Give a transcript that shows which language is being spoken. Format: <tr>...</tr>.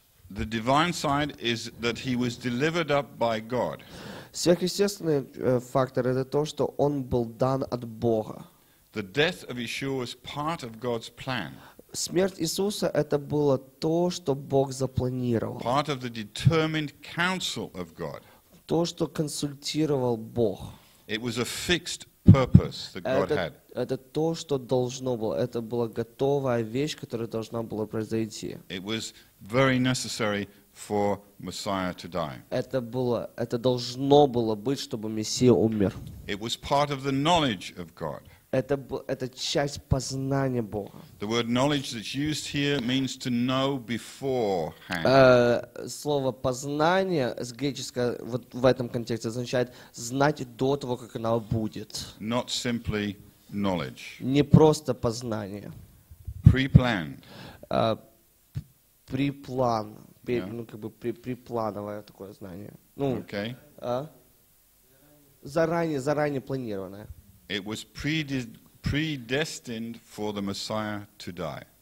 <en>The divine side is that he was delivered up by God.</en> <ru>Сверхъестественный фактор это то, что он был дан от Бога.</ru> <en>The death of Yeshua was part of God's plan.</en> <ru>Смерть Иисуса это было то, что Бог запланировал.</ru> <en>Part of the determined counsel of God.</en> <ru>То, что консультировал Бог.</ru> <en>It was a fixed purpose that God had.</en> <ru>Это то, что должно было. Это была готовая вещь, которая должна была произойти.</ru> <en>It was very necessary for Messiah to die.</en> <ru>Это должно было быть, чтобы Мессия умер.</ru> <en>It was part of the knowledge of God.</en> <ru>Это часть познания Бога.</ru> <en>The word knowledge that's used here means to know beforehand.</en> <ru>Слово познание с греческого вот в этом контексте означает знать до того, как оно будет.</ru> <en>Not simply knowledge.</en> <ru>Не просто познание.</ru> <en>Pre-planned.</en> <ru>Приплан. Yeah. Ну, как бы приплановое такое знание. Ну,</ru> <en>okay.</en> <ru>Заранее планированное.</ru> <en>It was predestined for the Messiah to die.</en>